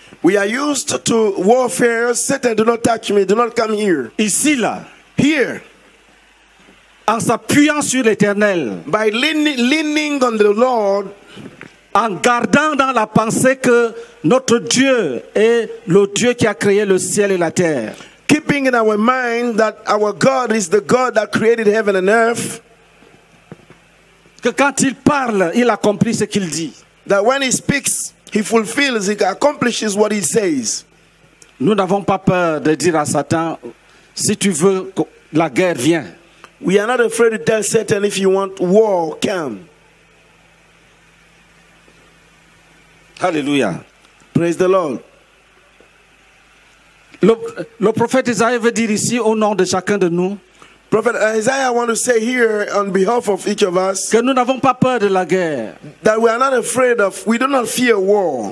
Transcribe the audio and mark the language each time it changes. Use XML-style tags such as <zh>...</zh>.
<en>We are used to warfare. Satan, do not touch me. Do not come here.</en> <fr>Ici, là.</fr> <en>Here.</en> <fr>En s'appuyant sur l'Éternel.</fr> <en>By leaning on the Lord.</en> <fr>En gardant dans la pensée que notre Dieu est le Dieu qui a créé le ciel et la terre.</fr> <en>Keeping in our mind that our God is the God that created heaven and earth.</en> <fr>Que quand il parle, il accomplit ce qu'il dit.</fr> <en>That when he speaks, he fulfills, he accomplishes what he says.</en> <fr>Nous n'avons pas peur de dire à Satan, si tu veux la guerre, viens.</fr> <en>We are not afraid to tell Satan, if you want war, come.</en> <fr>Hallelujah.</fr> <en>Praise the Lord.</en> <fr>Le prophète Isaïe veut dire ici au nom de chacun de nous.</fr> <en>Prophet Isaiah, I want to say here on behalf of each of us.</en> <fr>Que nous n'avons pas peur de la guerre.</fr> <en>That we are not afraid of, we do not fear war.</en>